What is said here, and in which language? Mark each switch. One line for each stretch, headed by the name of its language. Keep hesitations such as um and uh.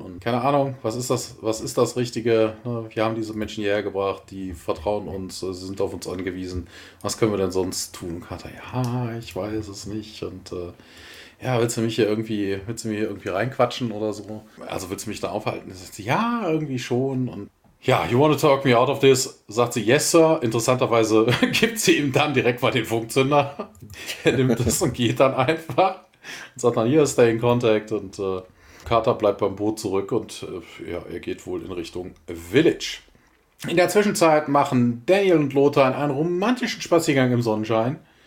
German: Und keine Ahnung, was ist das, was ist das Richtige? Wir haben diese Menschen hierher gebracht, die vertrauen uns, sie sind auf uns angewiesen. Was können wir denn sonst tun? Und Carter, ja, ich weiß es nicht. Und äh, ja, willst du mich hier irgendwie, willst du mir hier irgendwie reinquatschen oder so? Also willst du mich da aufhalten? Und sagt sie, ja, irgendwie schon. Und ja,
English: you want to talk me out of this?
German: Sagt sie,
English: yes, sir.
German: Interessanterweise gibt sie ihm dann direkt mal den Funkzünder. er nimmt das und geht dann einfach. Und sagt dann, hier,
English: stay in contact.
German: Und äh, Carter bleibt beim Boot zurück und äh, ja, er geht wohl in Richtung Village. In der Zwischenzeit machen Daniel und Lothar einen romantischen Spaziergang im Sonnenschein.